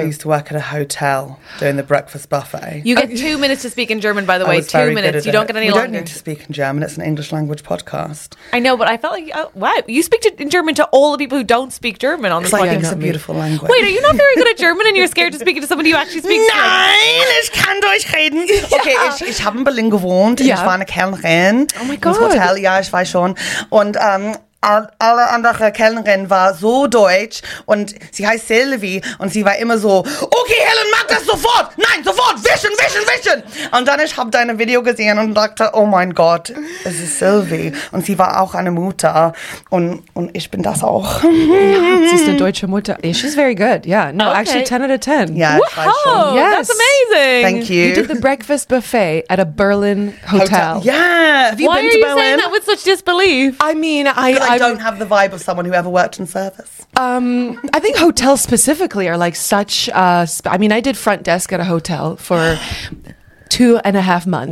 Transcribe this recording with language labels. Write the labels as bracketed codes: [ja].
[en] I used to work at a hotel doing the breakfast buffet. You get 2 minutes to speak in German, by the way. 2 minutes. You don't get any longer. We don't need to speak in German. It's an English language podcast. I know, but I felt like, you speak in German to all the people who don't speak German on this podcast. I think it's a beautiful language. Wait, are you not very good at German and you're scared to speak it to somebody who actually speaks German? [de] Nein, ich kann Deutsch reden. Okay, ich habe in Berlin gewohnt. Ich war eine Kellnerin. [en] Oh my God. [de] Im Hotel, ja, ich weiß schon. Und, alle andere Kellnerin war so deutsch und sie heißt Sylvie und sie war immer so, okay, Helen, mach das sofort! Nein, sofort! Wischen, wischen, wischen! Und dann ich habe deine Video gesehen und dachte, oh mein Gott, es ist Sylvie. Und sie war auch eine Mutter und ich bin das auch. Ja, sie ist eine deutsche Mutter. [en] She's very good, yeah. No, okay. Actually 10 out of 10. Yeah, wow, yes. That's amazing! Thank you. You did the breakfast buffet at a Berlin hotel. Yeah! Have you Why been are to you Berlin? Saying that with such disbelief? I mean, I don't have the vibe of someone who ever worked in service. I think hotels specifically are like such... I mean, I did front desk at a hotel for 2.5 months.